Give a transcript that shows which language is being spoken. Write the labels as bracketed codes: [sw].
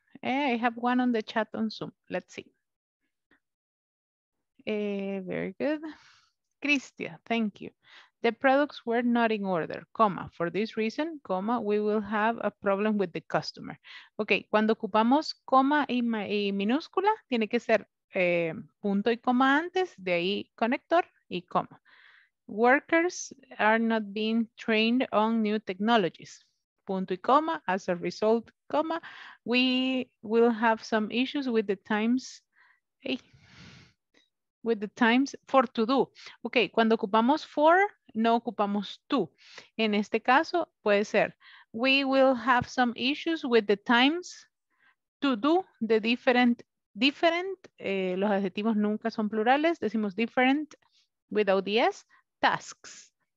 [en] I have one on the chat on Zoom. Let's see. Very good. Cristia, thank you. The products were not in order, comma. For this reason, comma, we will have a problem with the customer. [es] Okay, cuando ocupamos coma y minúscula, tiene que ser punto y coma antes, de ahí conector y coma. [en] Workers are not being trained on new technologies. [es] Punto y coma, [en] as a result, comma, we will have some issues with the times, hey, with the times for to do. [es] Okay, cuando ocupamos for, no ocupamos to. En este caso, puede ser, [en] we will have some issues with the times to do the different, [es] los adjetivos nunca son plurales, decimos [en] different without the S, tasks.